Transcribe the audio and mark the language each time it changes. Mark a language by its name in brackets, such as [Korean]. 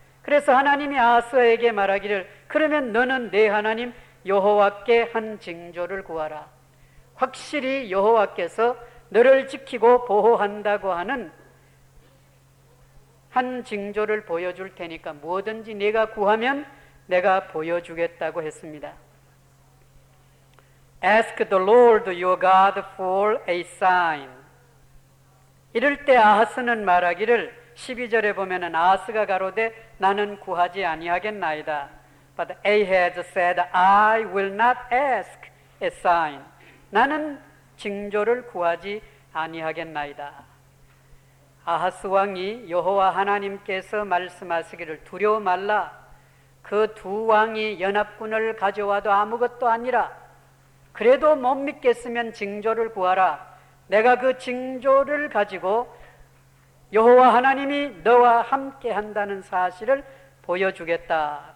[Korean] 그래서 하나님이 아하스에게 말하기를, 그러면 너는 내 하나님 여호와께 한 징조를 구하라. 확실히 여호와께서 너를 지키고 보호한다고 하는 한 징조를 보여줄 테니까 뭐든지 네가 구하면 내가 보여주겠다고 했습니다. [English] Ask the Lord your God for a sign. [Korean] 이럴 때 아하스는 말하기를, 12절에 보면은 아하스가 가로되 나는 구하지 아니하겠나이다. [English] But Ahaz said, I will not ask a sign. [Korean] 나는 징조를 구하지 아니하겠나이다. 아하스 왕이 여호와 하나님께서 말씀하시기를 두려워 말라. 그 두 왕이 연합군을 가져와도 아무것도 아니라. 그래도 못 믿겠으면 징조를 구하라. 내가 그 징조를 가지고 여호와 하나님이 너와 함께 한다는 사실을 보여주겠다.